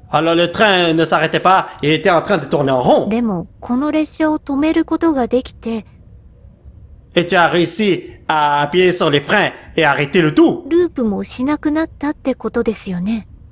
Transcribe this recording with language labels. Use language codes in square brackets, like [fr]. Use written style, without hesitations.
[fr] Alors le train ne s'arrêtait pas, il était en train de tourner en rond. [ja] でも、この列車を止めることができて、 [fr] Et tu as réussi à appuyer sur les freins et arrêter le tout. [ja] ループもしなくなったってことですよね。